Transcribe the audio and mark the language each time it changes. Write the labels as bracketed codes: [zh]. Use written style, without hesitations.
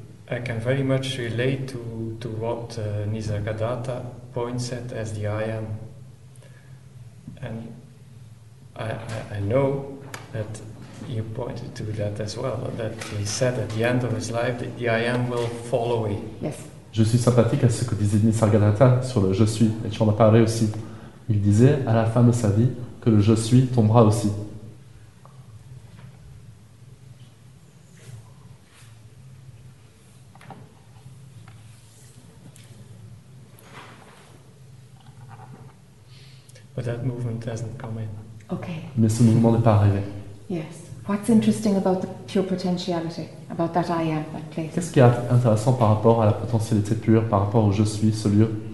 [en] I can very much relate to what Nisargadatta points at as the I am. And I know that you pointed to that as well, that he said at the end of his life that the I am will fall away. Yes. [fr] Je suis sympathique à ce que disait Nisargadatta sur le je suis, et tu en as parlé aussi. Il disait à la fin de sa vie que le je suis tombera aussi. [en] But that movement doesn't come in. Okay. [fr] Mais ce mouvement n'est pas arrivé. [en] Yes. What's interesting about the pure potentiality, about that I am, that place? [fr] Qu'est-ce qui est intéressant par rapport à la potentialité pure, par rapport au je suis, ce lieu?